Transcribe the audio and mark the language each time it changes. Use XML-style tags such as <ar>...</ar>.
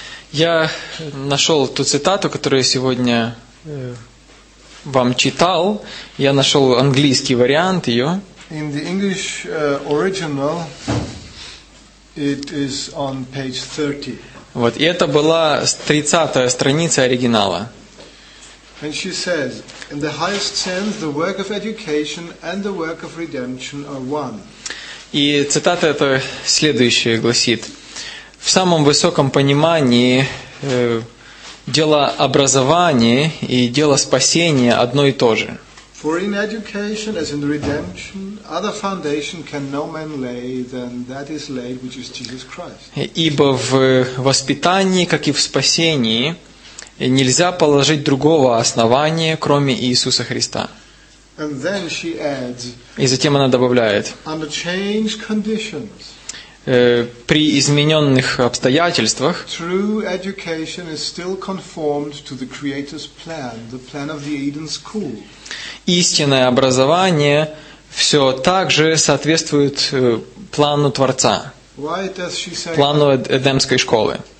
<ru>Я нашел ту цитату, которую я сегодня вам читал. Я нашел английский вариант ее.</ru> <en>In the English original, it is on page 30.</en> <ru>Вот, и это была 30-я страница оригинала.</ru> <en>And she says, in the highest sense, the work of education and the work of redemption are one.</en> <ru>И цитата эта следующая гласит: в самом высоком понимании дело образования и дело спасения одно и то же.</ru> <en>For in education, as in redemption, other foundation can no man lay than that is laid, which is Jesus Christ.</en> <ru>Ибо в воспитании, как и в спасении, нельзя положить другого основания, кроме Иисуса Христа.</ru> <en>And then she adds.</en> <ru>И затем она добавляет.</ru> <en>Under changed conditions.</en> <ru>При измененных обстоятельствах.</ru> <en>True education is still conformed to the Creator's plan, the plan of the Eden School.</en> <ru>Истинное образование все так же соответствует плану Творца, плану Эдемской школы.</ru>